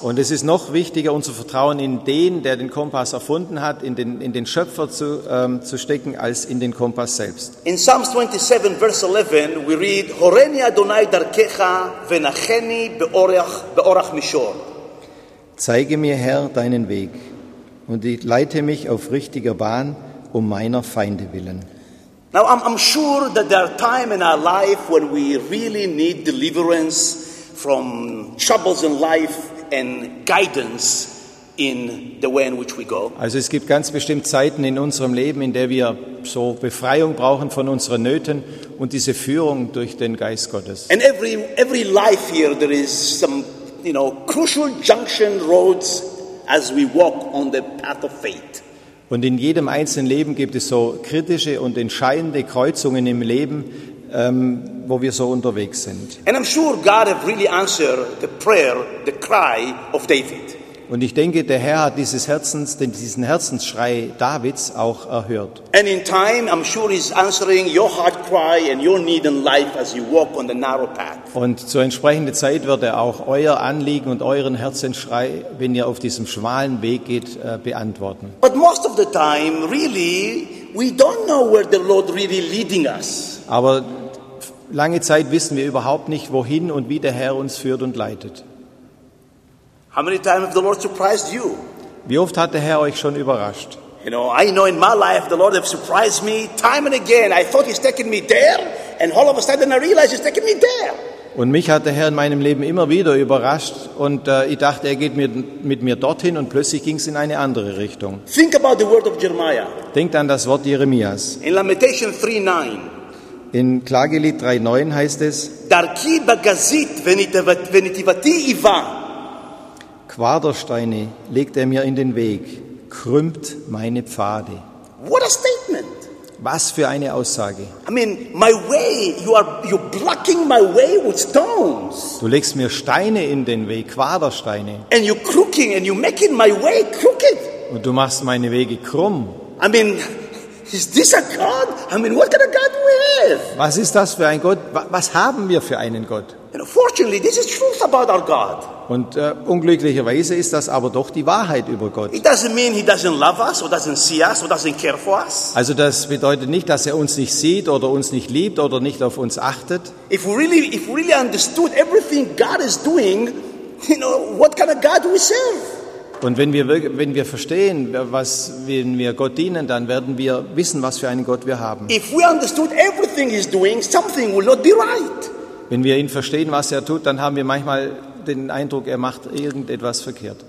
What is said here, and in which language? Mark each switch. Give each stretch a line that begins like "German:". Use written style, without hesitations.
German: Und es ist noch wichtiger, unser Vertrauen in den, der den Kompass erfunden hat, in den Schöpfer zu stecken, als in den Kompass selbst.
English: In Psalms 27, verse 11, we read,
Hebrew: Horeni Adonai darkecha, venacheni beorach mishor.
German: Zeige mir, Herr, deinen Weg, und leite mich auf richtiger Bahn, um meiner Feinde willen.
English: Now I'm sure that there are times in our life when we really need deliverance from troubles in life and guidance in the way in which we go.
German: Also es gibt ganz bestimmt Zeiten in unserem Leben, in der wir so Befreiung brauchen von unseren Nöten und diese Führung durch den Geist Gottes.
English: And every life here there is some, you know, crucial junction roads as we walk on the path of faith.
German: Und in jedem einzelnen Leben gibt es so kritische und entscheidende Kreuzungen im Leben, wo wir so unterwegs sind.
English: And I'm sure God have really answered the prayer, the cry of David.
German: Und ich denke, der Herr hat diesen Herzensschrei Davids auch erhört.
English: And in time, I'm sure he's answering your heart cry and your need in life as you walk on the narrow path.
German: Und zur entsprechenden Zeit wird er auch euer Anliegen und euren Herzensschrei, wenn ihr auf diesem schmalen Weg geht, beantworten.
English: But most of the time, really, we don't know where the Lord really leading us.
German: Aber lange Zeit wissen wir überhaupt nicht, wohin und wie der Herr uns führt und leitet.
English: How many times have the Lord surprised you?
German: Wie oft hat der Herr euch schon überrascht?
English: You know, I know in my life the Lord has surprised me time and again. I thought he's taking me there and all of a sudden I realize he's taking me there.
German: Und mich hat der Herr in meinem Leben immer wieder überrascht und ich dachte, er geht mit mir dorthin und plötzlich ging es in eine andere Richtung.
English: Think about the word of Jeremiah.
German: Denkt an das Wort Jeremias.
English: In Lamentation 3:9.
German: In Klagelied 3:9 heißt es:
Hebrew: Darki bagazit venitivati iva.
German: Quadersteine legt er mir in den Weg, krümmt meine Pfade.
English: What a statement!
German: Was für eine Aussage!
English: I mean, my way, you're blocking my way with stones.
German: Du legst mir Steine in den Weg, Quadersteine.
English: And you're crooking and you're making my way crooked.
German: Und du machst meine Wege krumm.
English: I mean, is this a God? I mean, what kind of God do we have?
German: Was ist das für ein Gott? Was haben wir für einen Gott?
English: And fortunately, this is truth about our God.
German: Und unglücklicherweise ist das aber doch die Wahrheit über Gott.
English: It doesn't mean he doesn't love us or doesn't see us or doesn't care for us.
German: Also das bedeutet nicht, dass er uns nicht sieht oder uns nicht liebt oder nicht auf uns achtet.
English: If we really understood everything God is doing, you know, what kind of God do we serve?
German: Und wenn wir verstehen, wenn wir Gott dienen, dann werden wir wissen, was für einen Gott wir haben.
English: If we understood everything he's doing, something will not be right.
German: Wenn wir ihn verstehen, was er tut, dann haben wir manchmal den Eindruck, er macht irgendetwas verkehrt.